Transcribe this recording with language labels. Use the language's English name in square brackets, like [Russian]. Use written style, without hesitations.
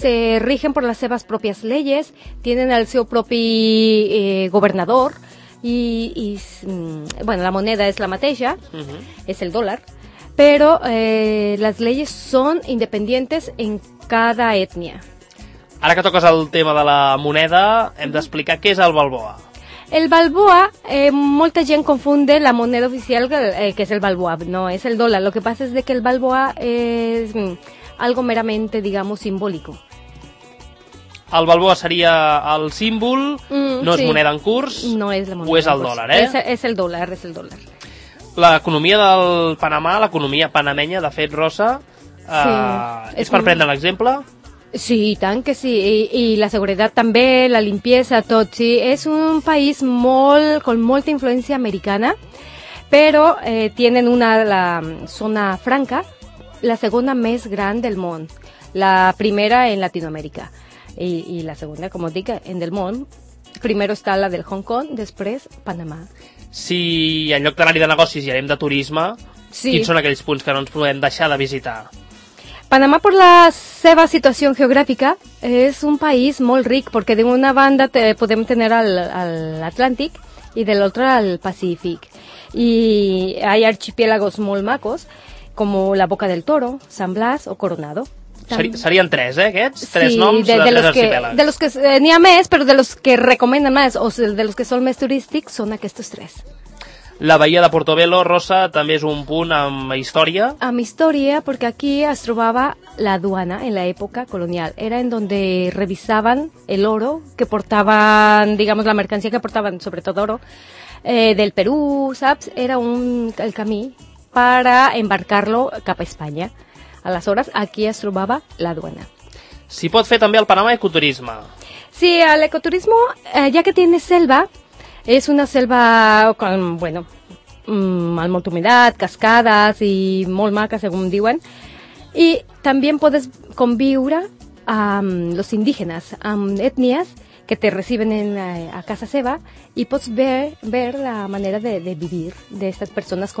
[Spanish] Se rigen por las [Catalan] seves [Spanish] propias leyes, tienen [Catalan] el seu propi governador i bueno, la moneda és la mateixa, és el dólar, però les leyes són [Spanish] independientes [Catalan] en cada ètnia. Ara que toques el tema de la moneda, hem d'explicar què és el Balboa. El Balboa, molta gent [Spanish] confunde [Catalan] la moneda oficial, que és el Balboa, no, és el dòlar. [Spanish] Lo que pasa es de que el Balboa es algo meramente, digamos, simbólico. [Catalan] El Balboa seria el símbol, no és moneda en curs, no és la moneda o és el dòlar, eh? És el dòlar. L'economia del Panamà, l'economia panamenya, de fet, Rosa, és per prendre l'exemple? Sí, i tant que sí, i la seguretat també, [Spanish] la limpieza, [Catalan] tot, sí. És un país molt, [Spanish] con molta [Catalan] influència americana, però [Spanish] tienen [Catalan] la zona franca, la segona més gran del món, la primera en Latinoamèrica, i la segona, com dic, en del món, [Spanish] primero [Catalan] està la del Hong Kong, després Panamà. Si en lloc d'anar-hi de negocis i anem de turisme, sí. Quins són aquells punts que no ens podem deixar de visitar? Panamà, per la seva situació geogràfica, és un país molt ric, perquè d'una banda podem tenir l'Atlàntic [Spanish] y del otro al Pacífico. Y hay archipiélagos muy macos, como la Boca del Toro, San Blas o Coronado. [Catalan] Serien tres, eh, aquests? Tres sí, noms de tres arxipèlags. De los que n'hi ha més, però [Spanish] de los que [Catalan] recomenden més o de los que són més turístics són aquests tres. La bahia de Portobelo, Rosa, també és un punt amb història. Amb història, perquè aquí es trobava la duana en l'època colonial. [Spanish] Era en donde [Catalan] revisaven [Spanish] el oro que portaven, digamos, la mercancía que portaven, [Catalan] sobretot [Spanish] oro, del Perú, [Catalan] saps? [Spanish] Era [Catalan] el camí [Spanish] para embarcarlo [Catalan] cap a Espanya. Aleshores, aquí es trobava la duana. S'hi pot fer també al Panamà ecoturisme. Sí, l'ecoturisme, ja que [Spanish] tiene selva, [Catalan] és una selva amb, bueno, amb molta humitat, cascades i molt maca, segons diuen. I també podes conviure amb els indígenes, amb ètnies que [Spanish] te reciben [Catalan] a casa seva i pots [Spanish] ver la manera de vivir [Catalan] d'aquestes persones.